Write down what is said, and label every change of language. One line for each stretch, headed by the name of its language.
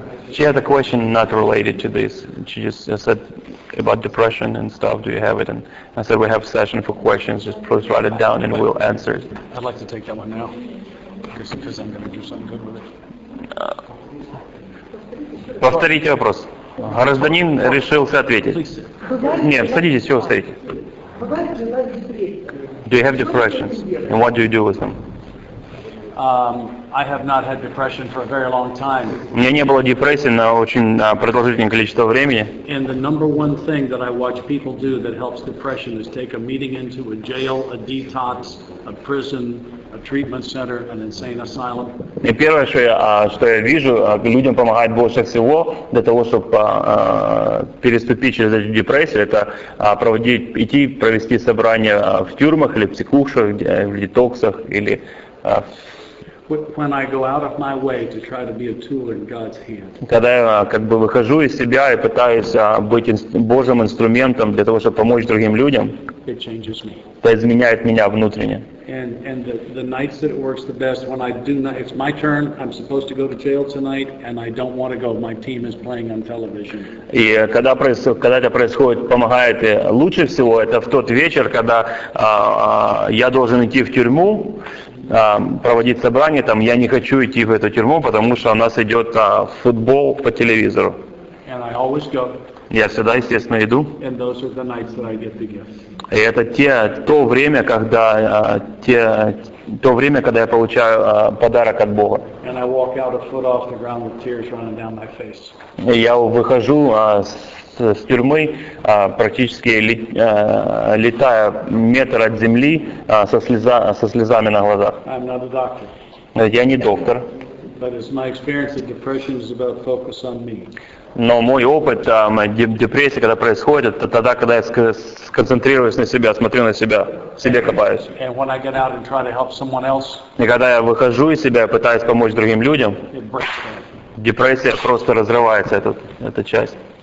English: She had a question not related to this. She just said about depression and stuff. Do you have it? And I said, we have a session for questions. Just please write it down and we'll answer it. I'd like to take that one now because I'm going to do something good with it.
Russian: Повторите вопрос. Гражданин решился ответить. Нет, садитесь, все, стойте.
English: Do you have depressions? And what do you do with them? I have not had depression for a very long time.
Russian: У меня не было депрессии на очень продолжительное количество времени.
English: And the number one thing that I watch people do that helps depression is take a meeting into a jail, a detox, a prison, a treatment center, an insane asylum.
Russian: И первое, что я вижу, людям помогает больше всего для того, чтобы переступить через эту депрессию, это провести собрания в тюрьмах или психушках, в детоксах или
English: when I go out of my way to try to be a tool in God's hand.
Russian: Когда я как бы выхожу из себя и пытаюсь быть Божьим инструментом для того, чтобы помочь другим людям.
English: It changes me.
Russian: Это изменяет меня внутренне.
English: And the nights that it works the best when I do not, it's my turn, I'm supposed to go to jail tonight and I don't want to go, my team is playing on television.
Russian: И когда это происходит, помогает лучше всего это в тот вечер, когда я должен идти в тюрьму, проводить собрание там, я не хочу идти в эту тюрьму, потому что у нас идет футбол по телевизору.
English: And I always go.
Russian: Я всегда, естественно, иду.
English: And those are the nights that I get the gift.
Russian: И это то время, когда я получаю подарок от Бога.
English: And I walk out a foot off the ground with tears running down my face.
Russian: И я выхожу с тюрьмы, практически летая метр от земли, со слезами на глазах.
English: I'm not a doctor.
Russian: Я не доктор.
English: But it's my experience that depression is about focus on me.
Russian: Но мой опыт депрессии, когда происходит, это тогда, когда я сконцентрируюсь на себя, смотрю на себя, себе копаюсь. И когда я выхожу из себя, пытаюсь помочь другим людям, депрессия просто разрывается, эта часть.